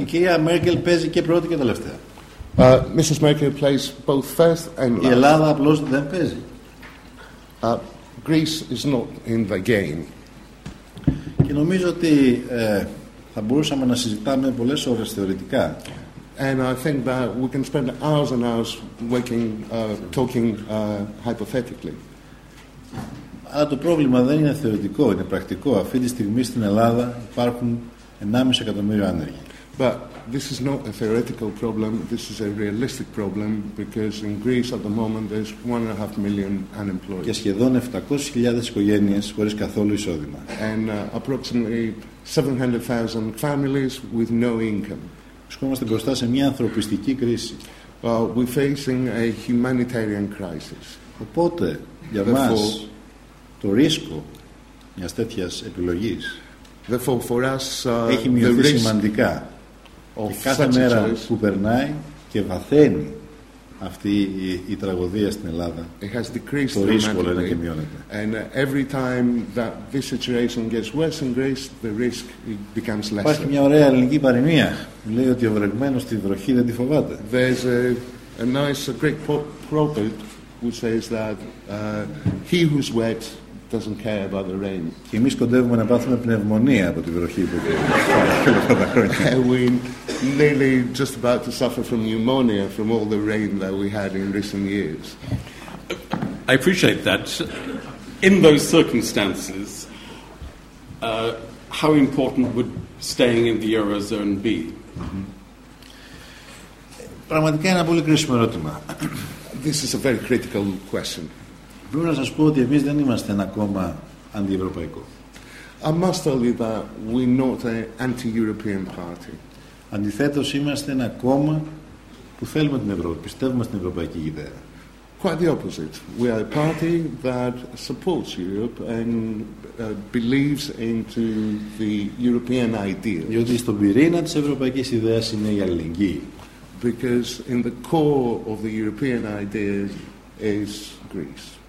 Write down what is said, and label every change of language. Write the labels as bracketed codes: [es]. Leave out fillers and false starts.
[el] η κυρία Μέρκελ παίζει και πρώτη και τελευταία. [en] Mrs. Merkel plays both first and last. [el] Η Ελλάδα απλώς δεν παίζει. [en] Greece is not in the game. [el] Και νομίζω ότι θα μπορούσαμε να συζητάμε πολλές ώρες θεωρητικά. [en] And I think that we can spend hours and hours working, talking hypothetically. [el] Αλλά το πρόβλημα δεν είναι θεωρητικό, είναι πρακτικό. Αυτή τη στιγμή στην Ελλάδα υπάρχουν 1,5 εκατομμύριο άνεργοι. [en] But this is not a theoretical problem, this is a realistic problem, because in Greece at the moment there's 1.5 million unemployed. [el] Και σχεδόν 700,000 οικογένειες χωρίς καθόλου εισόδημα. [en] And approximately 700,000 families with no income. [el] Βρισκόμαστε μπροστά σε μια ανθρωπιστική κρίση. [en] We're facing a humanitarian crisis. [el] Οπότε, για μας, το ρίσκο μιας τέτοιας επιλογής [en] for us, [el] έχει μειωθεί σημαντικά. Κάθε μέρα που περνάει και βαθαίνει αυτή η τραγωδία στην Ελλάδα, το ρίσκο λένε και μειώνεται. [en] And every time that this situation gets worse in Greece, the risk becomes lesser. [el] Υπάρχει μια ωραία ελληνική παροιμία. Λέει ότι ο βρεγμένος τη βροχή δεν τη φοβάται. [en] There's a nice a Greek proverb who says that he who's wet doesn't care about the rain. [el] Και εμείς κοντεύουμε να πάθουμε πνευμονία από τη βροχή που [en] we're nearly just about to suffer from pneumonia from all the rain that we had in recent years. I appreciate that. In those circumstances, how important would staying in the Eurozone be? [el] Πραγματικά είναι ένα πολύ κρίσιμο ερώτημα. [en] This is a very critical question. [el] Πρέπει να σας πω ότι εμείς δεν είμαστε ένα κόμμα αντιευρωπαϊκό. [en] I must tell you that we're not an anti-European party. [el] Αντιθέτως, είμαστε ένα κόμμα που θέλουμε την Ευρώπη, πιστεύουμε στην ευρωπαϊκή ιδέα. [en] Quite the opposite. We are a party that supports Europe and believes into the European ideas. [el] Διότι στον πυρήνα της ευρωπαϊκής ιδέας είναι η αλληλεγγύη. [en] Because in the core of the European idea is Greece.